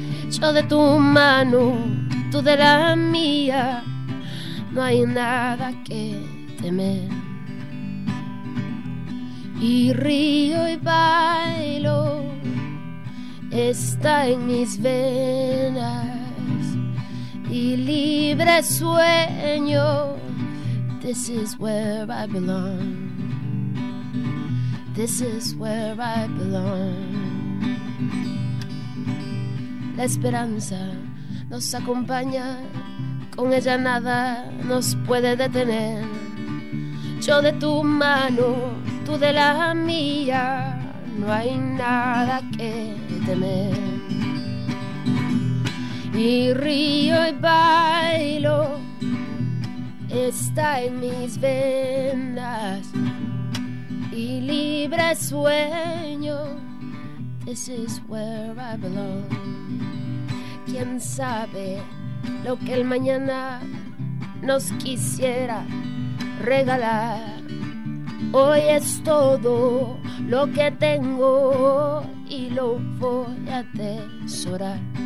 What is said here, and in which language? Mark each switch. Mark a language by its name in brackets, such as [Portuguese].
[Spanish] Yo de tu mano, tú de la mía, no hay nada que temer. Y río y bailo, está en mis venas. Y libre sueño, [English] this is where I belong. This is where I belong. [Spanish] La esperanza nos acompaña, con ella nada nos puede detener. Yo de tu mano, tú de la mía, no hay nada que temer. Y río y bailo, está en mis venas. Y libre sueño, [English] this is where I belong. [Spanish] Quién sabe lo que el mañana nos quisiera regalar. Hoy es todo lo que tengo y lo voy a atesorar.